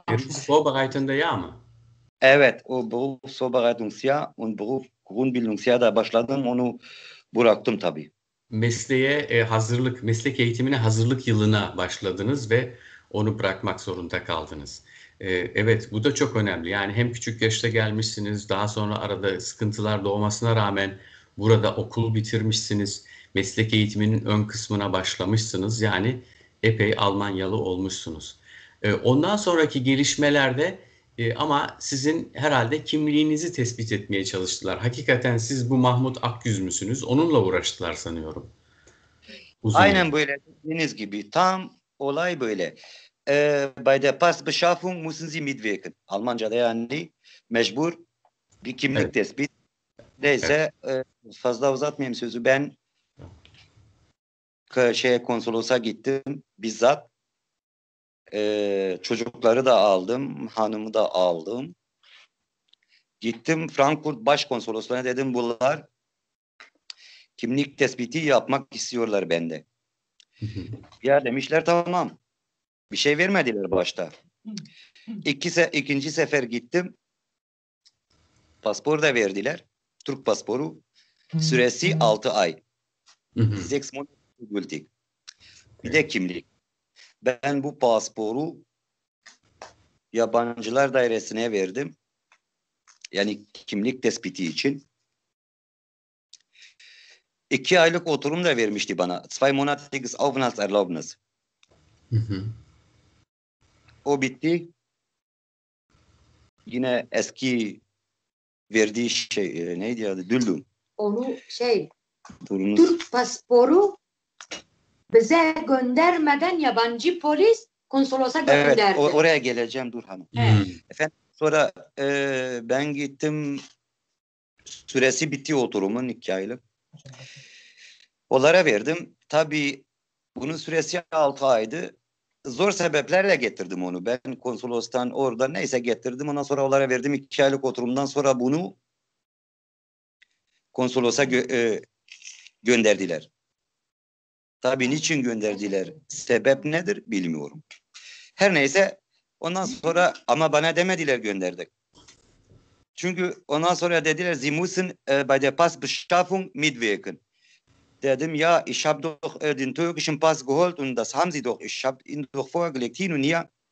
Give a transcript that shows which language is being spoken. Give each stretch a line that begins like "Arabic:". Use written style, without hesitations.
Turkish: Berufsvorbereitungsjahr mı? Evet. O
German: Berufsvorbereitungsjahr und Berufsgrundbildungsjahr
Turkish: da başladım. Onu bıraktım tabii. Mesleğe hazırlık, meslek eğitimine hazırlık yılına başladınız ve onu bırakmak zorunda kaldınız. Evet, bu da çok önemli. Yani hem küçük yaşta gelmişsiniz, daha sonra arada sıkıntılar doğmasına rağmen burada okul bitirmişsiniz, meslek eğitiminin ön kısmına başlamışsınız. Yani epey Almanyalı olmuşsunuz. Ondan sonraki gelişmelerde ama sizin herhalde kimliğinizi tespit etmeye çalıştılar. Hakikaten siz bu Mahmut Akyüz müsünüz? Onunla uğraştılar sanıyorum. Aynen böyle dediğiniz gibi. Tam olay böyle.
German: Bei der Passbeschaffung müssen Sie mitwirken.
Turkish: Almanca'da yani mecbur bir kimlik evet, tespit. Neyse evet, fazla uzatmayayım sözü. Ben konsolosa gittim bizzat. Çocukları da aldım, hanımı da aldım. Gittim Frankfurt Başkonsolosluğu'na, dedim bunlar kimlik tespiti yapmak istiyorlar bende. Ya demişler tamam. Bir şey vermediler başta. İkinci sefer gittim. Pasporu da verdiler. Türk pasporu. Süresi 6 ay.
English: 6 months
Turkish: gültü. Bir de kimlik. Ben bu pasporu yabancılar dairesine verdim. Yani kimlik tespiti için. 2 aylık oturum da vermişti bana.
German: 2 monatliges Aufenthaltserlaubnis.
Turkish: O bitti. Yine eski verdiği şey neydi adı? Düldüm. Onu şey, durunuz. Türk pasporu bize göndermeden yabancı polis konsolosa gönderdi. Evet, oraya geleceğim dur hanım. Efendim sonra ben gittim, süresi bitti oturumun 2 aylık. Onlara verdim. Tabii Bunun süresi 6 aydı. Zor sebeplerle getirdim onu. Ben konsolostan orada neyse getirdim. Ondan sonra onlara verdim. 2 aylık oturumdan sonra bunu konsolosa gönderdiler. Tabii niçin gönderdiler? Sebep nedir? Bilmiyorum. Her neyse ondan sonra ama bana demediler gönderdik. Çünkü ondan sonra dediler
German: Sie müssen bei der Passbeschaffung mitwirken.
Turkish: Dedim ya
German: ich habe doch den türkischen Pass geholt und das haben sie doch. Ich habe ihn doch vorgelegt hin und her.